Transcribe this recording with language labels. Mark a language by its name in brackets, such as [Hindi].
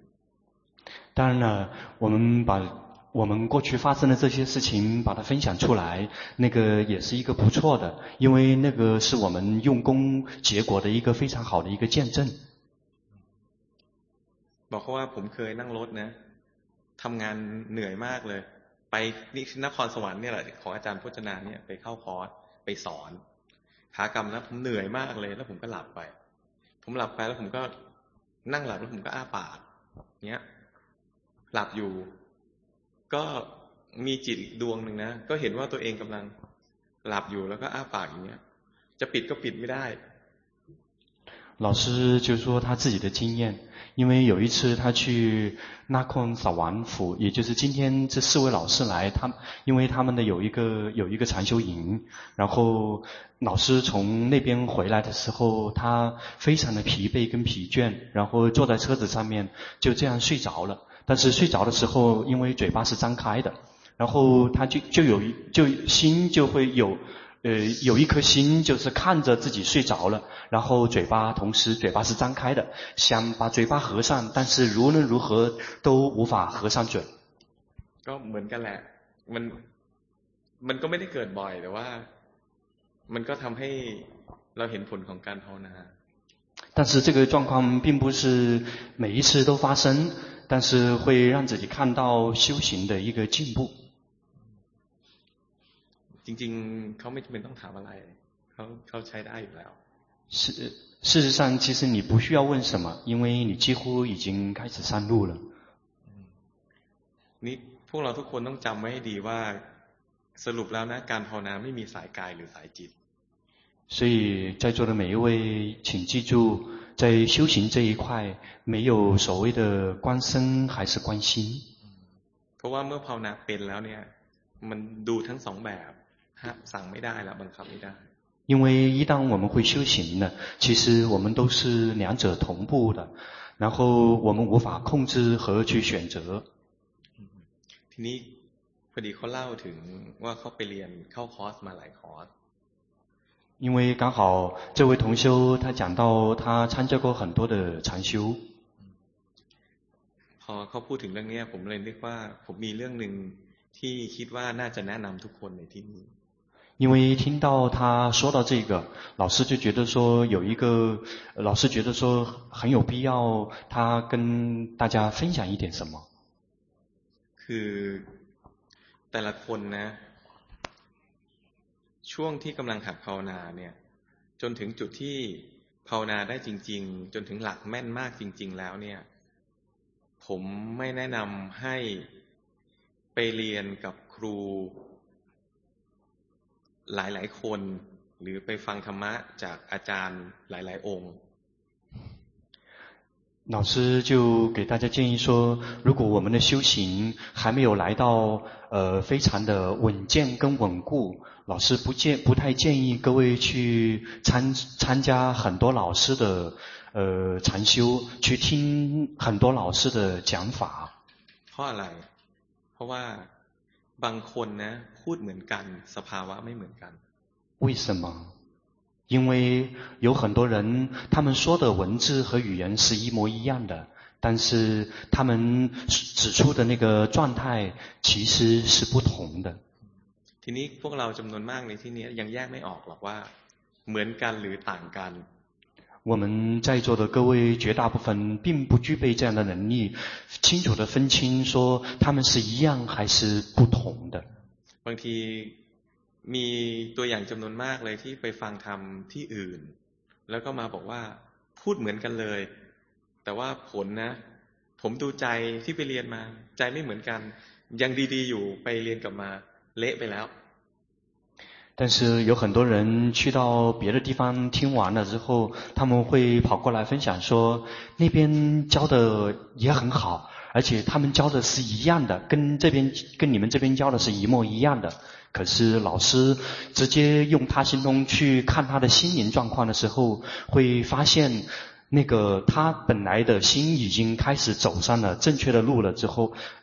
[Chinese] 当然了我们把我们过去发生的这些事情把它分享出来那个也是一个不错的因为那个是我们用功结果的一个非常好的一个见证 [Thai] บอกว่าผมเคยนั่งรถนะทำงานเหนื่อยมากเลยไปนี่นครสวรรค์เนี่ยแหละของอาจารย์พจนานเนี่ยไปเข้าคอร์สไปสอนขากลับแล้วผมเหนื่อยมากเลยแล้วผมก็หลับไปผมหลับไปแล้วผมก็นั่งหลับแล้วผมก็อ้าปากเนี้ยหลับอยู่ก็มีจิตดวงหนึ่งนะก็เห็นว่าตัวเองกำลังหลับอยู่แล้วก็อ้าปากอย่างเงี้ยจะปิดก็ปิดไม่ได้ [Chinese] 老师就说他自己的经验因为有一次他去那空扫完府也就是今天这四位老师来他因为他们的有一个禅修营然后老师从那边回来的时候他非常的疲惫跟疲倦然后坐在车子上面就这样睡着了但是睡着的时候因为嘴巴是张开的然后他就心就会有一颗心就是看着自己睡着了然后嘴巴是张开的想把嘴巴合上但是无论如何都无法合上嘴 [Thai] ก็เหมือนกันแหละมันก็ไม่ได้เกิดบ่อยแต่ว่ามันก็ทำให้เราเห็นผลของการภาวนา [Chinese] 但是这个状况并不是每一次都发生但是会让自己看到修行的一个进步 [Thai] จริงๆเขาไม่จำเป็นต้องถามอะไรเขาใช้ได้อยู่แล้ว [Chinese] 事实上其实你不需要问什么因为你几乎已经开始上路了 [Thai] นี่พวกเราทุกคนต้องจำไว้ให้ดีว่าสรุปแล้วนะการภาวนาไม่มีสายกายหรือสายจิต [Chinese] 所以在座的每一位请记住在修行这一块没有所谓的观身还是观心 [Thai] เพราะว่าเมื่อภาวนาเป็นแล้วเนี่ยมันดูทั้งสองแบบสั่งไม่ได้แล้วบังคับไม่ได้ [Chinese] 因为一旦我们会修行呢其实我们都是两者同步的然后我们无法控制和去选择 [Thai] ทีนี้พอดีเขาเล่าถึงว่าเขาไปเรียนเข้าคอร์สมาหลายคอร์ส [Chinese] 因为刚好这位同修他讲到他参加过很多的禅修 [Thai] พอเขาพูดถึงเรื่องนี้ผมเลยนึกว่าผมมีเรื่องนึงที่คิดว่าน่าจะแนะนำทุกคนในที่นี้ [Chinese] 因为听到他说到这个老师就觉得说有一个老师觉得说很有必要他跟大家分享一点什么 [Thai] คือแต่ละคนนะช่วงที่กำลังหัดภาวนาเนี่ยจนถึงจุดที่ภาวนาได้จริงๆจนถึงหลักแม่นมากจริงๆแล้วเนี่ยผมไม่แนะนำให้ไปเรียนกับครูหลายๆคนหรือไปฟังธรรมะจากอาจารย์หลายๆองค์ [Chinese] 老师就给大家建议说如果我们的修行还没有来到非常的稳健跟稳固老师不太建议各位去参加很多老师的禅修去听很多老师的讲法 [Thai] เพราะอะไรเพราะว่าบางคนนะพูดเหมือนกันสภาวะไม่เหมือนกัน [Chinese] 为什么因为有很多人他们说的文字和语言是一模一样的但是他们指出的那个状态其实是不同的 [Thai] ทีนี้พวกเราจำนวนมากในที่นี้ยังแยกไม่ออกหรอกว่าเหมือนกันหรือต่างกัน [Chinese] 我们在座的各位绝大部分并不具备这样的能力清楚地分清说他们是一样还是不同的 [Thai] บางทีมีตัวอย่างจำนวนมากเลยที่ไปฟังธรรมที่อื่นแล้วก็มาบอกว่าพูดเหมือนกันเลยแต่ว่าผลนะ ผมดูใจที่ไปเรียนมาใจไม่เหมือนกันยังดีๆอยู่ไปเรียนกลับมาเละไปแล้ว [Chinese] 但是有很多人去到别的地方听完了之后他们会跑过来分享说那边教的也很好而且他们教的是一样的跟这边跟你们这边教的是一模一样的可是老师直接用他心中去看他的心灵状况的时候会发现那个他本来的心已经开始走上了正确的路了之后